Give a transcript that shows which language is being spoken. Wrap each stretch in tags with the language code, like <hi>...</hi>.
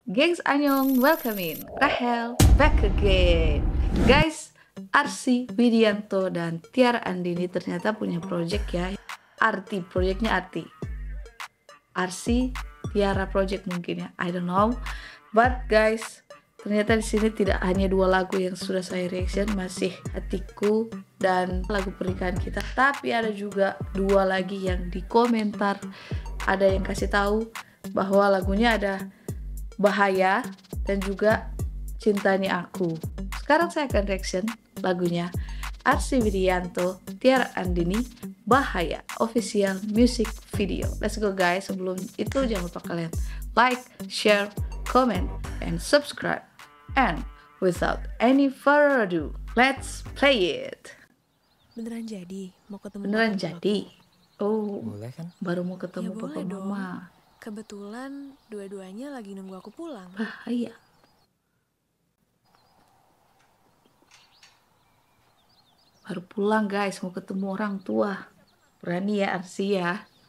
<en>Gengs Anyong, welcoming Rahel back again.</en> <id>Guys, Arsi Widianto dan Tiara Andini ternyata punya project ya. Arti, projectnya Arti. Arsi, Tiara project mungkin ya,</id> <en>I don't know. But guys,</en> <id>ternyata di sini tidak hanya dua lagu yang sudah saya reaction, masih Hatiku dan lagu pernikahan kita. Tapi ada juga dua lagi yang di komentar, ada yang kasih tahu bahwa lagunya ada Bahaya dan juga Cintanya Aku. Sekarang saya akan reaction lagunya Arsi Widianto, Tiara Andini, Bahaya official music video.</id> <en>Let's go guys.</en> <id>Sebelum itu jangan lupa kalian</id> <en>like, share, comment and subscribe. And without any further ado, let's play it.</en> <id>Beneran jadi mau ketemu. Beneran jadi. Oh. Boleh kan? Baru mau ketemu ya, Bapak Mama. Kebetulan dua-duanya lagi nunggu aku pulang. Bahaya. Baru pulang guys, mau ketemu orang tua. Berani ya Arsi ya.</id>